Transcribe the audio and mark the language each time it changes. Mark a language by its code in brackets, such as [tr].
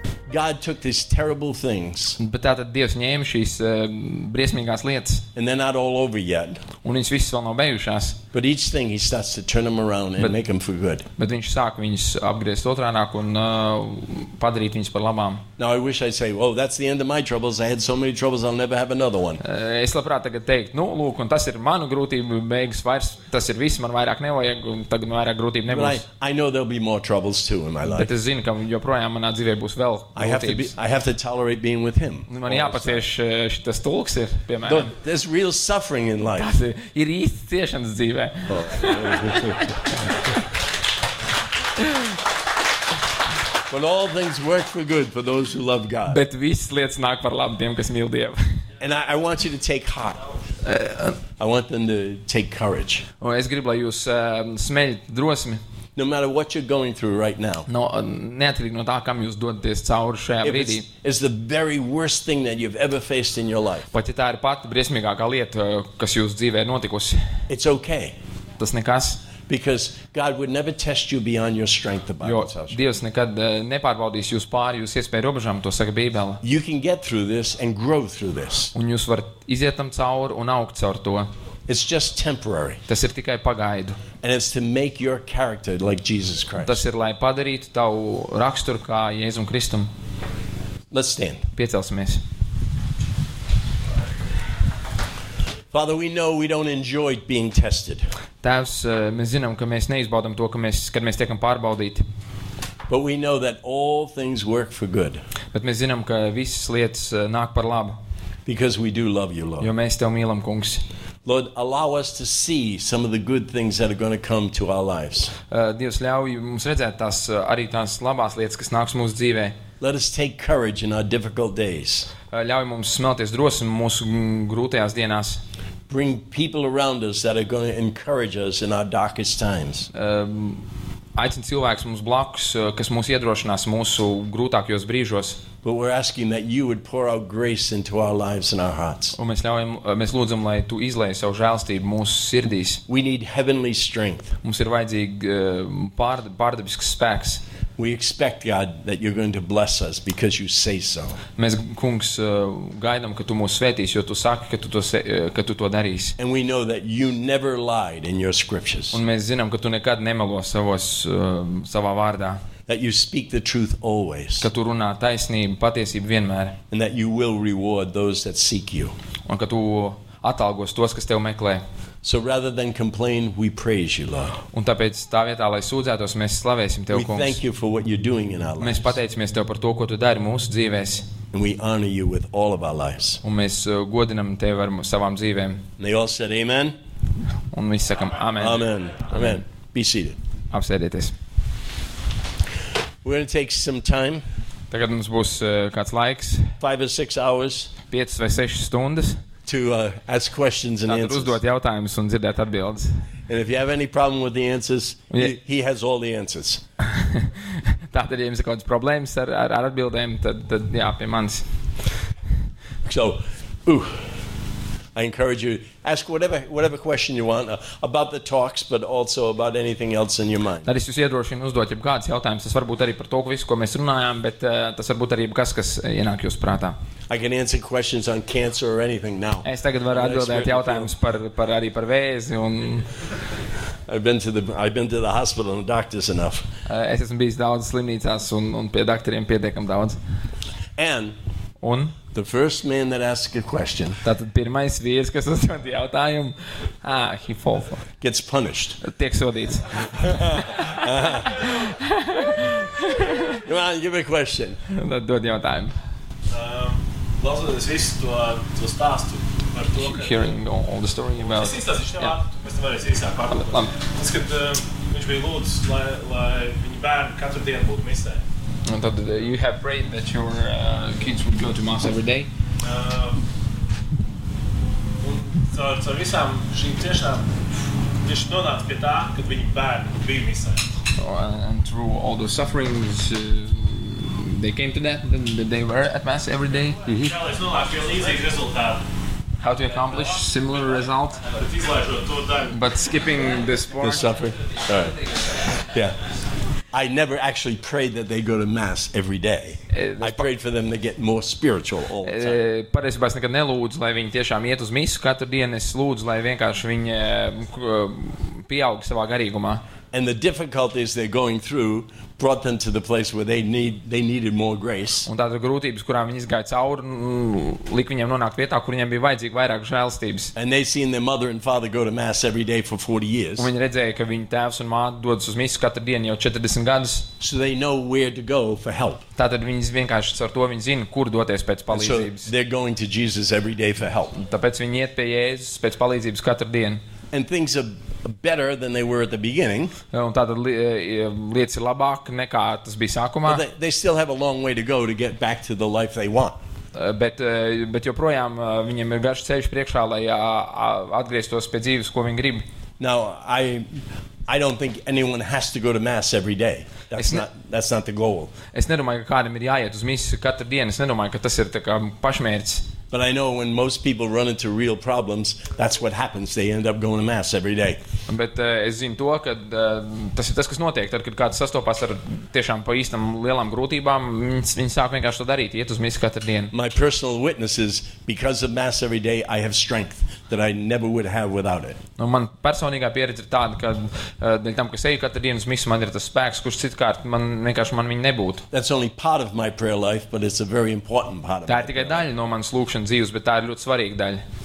[en] God took these terrible things. [lv] Bet tātad Dievs ņēma šīs briesmīgās lietas. [en] And they're not all over yet. [lv] Un viņas visas vēl nav beigušās. [en] But each thing he starts to turn them around and make them for good. [lv] Bet viņš sāk viņus apgriezt otrānāk un padarīt viņus par labām. [en] Now I wish I'd say, "Oh, that's the end of my troubles. I had so many troubles, I'll never have another one." [lv] Es labprāt tagad teikt, "Nu, lūk, un tas ir manu grūtību beigas vairs, tas ir viss, man vairāk nevajag, un tagad vairāk grūtību nebūs." [en] But I know there'll be more troubles too in my life. [lv] Bet es zinu, ka joprojām manā dzīvē būs vēl. [en] I have to tolerate being with him. [lv] Man jāpatieš šitas tulks ir, piemēram. [en] There's real suffering in life. [lv] Tas ir īsts ciešanas dzīvē. [en] But all things work for good for those who love God. [lv] Bet visas lietas nāk par labu tiem, kas mīl Dievu. [en] And I want you to take heart. I want them to take courage. [lv] Es gribu, lai jūs smeļat drosmi. [en] No matter what you're going through right now. [lv] No, neatkarīgi no tā, kam jūs dodaties cauri šajā brīdī. [en] It's the very worst thing that you've ever faced in your life. [lv] Pat ja tā ir pati briesmīgākā lieta, kas jūs dzīvē notikusi. [en] It's okay. [lv] Tas nekas. [en] Because God would never test you beyond your strength, the Bible tells you. [lv] Jo Dievs nekad nepārbaudīs jūs pāri jūs iespēju robežām, to saka Bībele. [en] You can get through this and grow through this. [lv] Un jūs varat iziet tam cauri un augt caur to. [en] It's just temporary. [lv] Tas ir tikai pagaidu. [en] And it's to make your character like Jesus Christ. [lv] Tas ir, lai padarītu tavu raksturu kā Jēzum Kristum. [en] Let's stand. [lv] Piecelsimies. [en] Father, we know we don't enjoy being tested. [lv] Tēvs, mēs zinām, ka mēs neizbaudam to, kad mēs tiekam pārbaudīti. [en] But we know that all things work for good. [lv] Bet mēs zinām, ka visas lietas nāk par labu. [en] Because we do love you, Lord. [lv] Jo mēs tev mīlam, Kungs. [en] Lord, allow us to see some of the good things that are going to come to our lives. [lv] Dievs, ļauj mums redzēt tās arī tās labās lietas, kas nāks mūsu dzīvē. [en] Let us take courage in our difficult days. [lv] Ļauj mums smelties drosmi mūsu grūtajās dienās. [en] Bring people around us that are going to encourage us in our darkest times. [lv] Aicin cilvēks mums blakus, kas mūs iedrošinās mūsu grūtākajos brīžos. [en] But we're asking that you would pour out grace into our lives and our hearts. [lv] Un mēs lūdzam, lai tu izlēji savu žēlstību mūsu sirdīs. [en] We need heavenly strength. [lv] Mums ir vajadzīga pārdabisks spēks. [en] We expect God that you're going to bless us because you say so. [lv] Mēs, Kungs, gaidām, ka tu mūs svētīsi, jo tu saki, ka tu to darīsi. [en] And we know that you never lied in your scriptures. [lv] Un mēs zinām, ka tu nekad nemelo savā vārdā. [en] That you speak the truth always. [lv] Ka tu runā taisnību, patiesību vienmēr. [en] And that you will reward those that seek you. [lv] Un ka tu atalgos tos, kas tev meklē. [en] So rather than complain, we praise you, Lord. [lv] Un tāpēc tā vietā, lai sūdzētos, mēs slavēsim Tev, Kungs. [en] We thank you for what you're doing in our lives. [lv] Mēs pateicamies Tev par to, ko Tu dari mūsu dzīvēs. [en] And we honor you with all of our lives. [lv] Un mēs godinam Tevi ar savām dzīvēm. [en] And they all said amen. [lv] Un mēs sakam amen. [en] Amen. Amen. Be seated. [lv] Apsēdieties. [en] We're going to take some time. [lv] Tagad mums būs kāds laiks. [en] 5 or 6 hours. [lv] 5 vai 6 stundas. [en] To ask questions and answers. [lv] Uzdot jautājumus un dzirdēt atbildes. [en] And if you have any problem with the answers, he has all the answers. [lv] Tātad, ja jums ir kaut kāds problēmas ar atbildēm, tad jā, pie manis. [en] So, I encourage you, ask whatever question you want about the talks, but also about anything else in your mind. [lv] Tad es jūs iedrošinu uzdot jebkādus jautājumus. Tas varbūt arī par to, visu, ko mēs runājām, bet tas varbūt arī jebkas, kas ienāk jūsu prātā. [en] I can answer questions on cancer or anything now. [lv] Es tagad varu atbildēt jautājumus par arī par vēzi un [en] I've been to the hospital and doctors enough. [lv] Es esmu bijis daudz slimnīcās un pie doktoriem pietiekam daudz. [en] And [lv] un [en] the first man that asks a question. [lv] Tātad pirmais vīrs, kas uzdod jautājumu, [en] he falls. Gets punished. [lv] Tiek sodīts. [en] Come on, give me a question. [lv] Tad dod jautājumu. Klausoties visu to stāstu par to, ka [en] hearing all the story about. [lv] Tas stāsts ir nevārds, mēs tam varēsim īsāk pārbaudīt. Tas, kad viņš bija lūdzis, lai viņa bērni katru dienu būtu misē. [en] And that you have prayed that your kids would go to mass every day. [lv] Caur visām šīm tiešām viņš nonāca pie tā, ka viņa bērni bija misē. [en] And through all those sufferings, they came to that, that they were at Mass every day. Mm-hmm. How to accomplish similar result, but skipping this part. The suffering. All right. Yeah. I never actually prayed that they go to Mass every day. I prayed for them to get more spiritual all the time. [lv] Patiesībā es nekad nelūdzu, lai viņi tiešām iet uz misu katru dienu. Es lūdzu, lai vienkārši viņi pieaug savā garīgumā. [en] And the difficulties they're going through brought them to the place where they needed more grace. [lv] Un tās grūtības, kurām viņi izgāja cauri, lika viņiem nonākt vietā, kur viņiem bija vajadzīga vairāk žēlstības. [en] And they seen their mother and father go to Mass every day for 40 years. [lv] Un viņi redzēja, ka viņu tēvs un māte dodas uz misu katru dienu jau 40 gadus. [en] So they know where to go for help. [lv] Tātad viņi vienkārši ar to viņi zina, kur doties pēc palīdzības. [en] So they're going to Jesus every day for help. [lv] Tāpēc viņi iet pie Jēzus pēc palīdzības katru dienu. [en] And things are better than they were at the beginning. [lv] Un tātad lietas ir labāk nekā tas bija sākumā. [en] But they still have a long way to go to get back to the life they want. [lv] Bet joprojām viņiem ir garš ceļš priekšā, lai atgrieztos pie dzīves, ko viņi grib. [en] Now, I don't think anyone has to go to Mass every day. That's not the goal. [lv] Es nedomāju, ka kādam ir jāiet uz misu katru dienu. Es nedomāju, ka tas ir tā kā pašmērķis. [en] But I know when most people run into real problems, that's what happens. They end up going to Mass every day. [lv] Bet es zinu to, ka tas ir tas, kas notiek. Tad, kad kāds sastopas ar tiešām pa īstam lielām grūtībām, viņi sāk vienkārši to darīt, iet uz misu katru dienu. [en] My personal witness is, because of Mass every day, I have strength that I never would have without it. [lv] Nu, man personīgā pieredze ir tāda, ka dēļ tam, kas eju katru dienu uz misu, man ir tas spēks, kurš citkārt man vienkārši man viņa nebūtu. [en] That's only part of my prayer life, but it's a very important part of it. [lv] Tā ir tikai daļa no manas lūkšanas dzīves, bet tā ir ļoti svarīga daļa.